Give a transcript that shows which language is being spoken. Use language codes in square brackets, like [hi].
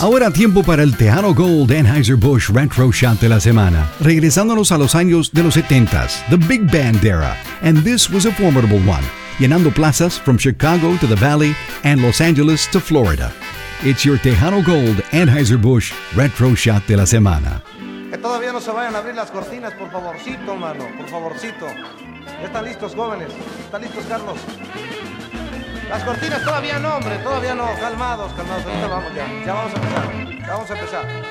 [es] Ahora tiempo para el Tejano Gold Anheuser-Busch Retro Shot de la semana. Regresándonos a los años de los 70s, [en] the big band era. And this was a formidable one, [es] llenando plazas [en] from Chicago to the Valley and Los Angeles to Florida. It's your Tejano Gold Anheuser-Busch Retro Shot [es] de la semana. Que todavía no se vayan a abrir las cortinas, por favorcito, mano, por favorcito. ¿Están listos, jóvenes? ¿Están listos, Carlos? Las cortinas todavía no, hombre, todavía no. Calmados, calmados, ahorita vamos ya. Ya vamos a empezar, ya vamos a empezar.